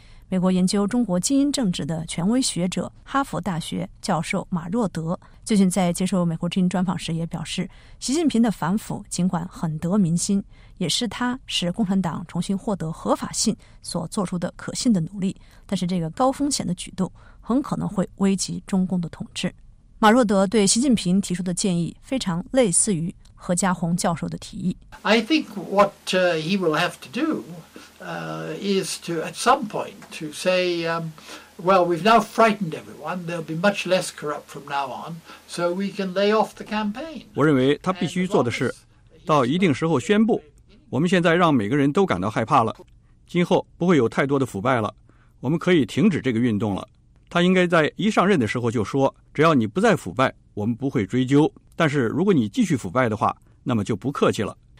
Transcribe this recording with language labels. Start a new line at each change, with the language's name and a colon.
Chinese: 美国研究中国精英政治的权威学者、哈佛大学教授马若德最近在接受美国之音专访时也表示，习近平的反腐尽管很得民心，也是他使共产党重新获得合法性所做出的可信的努力，但是这个高风险的举动很可能会危及中共的统治。马若德对习近平提出的建议非常类似于何家宏教授的提议。
English: I think what he will have to do is to at some point to say well, we've now frightened everyone. There'll be much less corrupt from now on, so we can lay off the campaign.
Chinese: 我认为他必须做的是，到一定时候宣布，我们现在让每个人都感到害怕了，今后不会有太多的腐败了，我们可以停止这个运动了。他应该在一上任的时候就说，只要你不再腐败，我们不会追究。但是如果你继续腐败的话，那么就不客气了。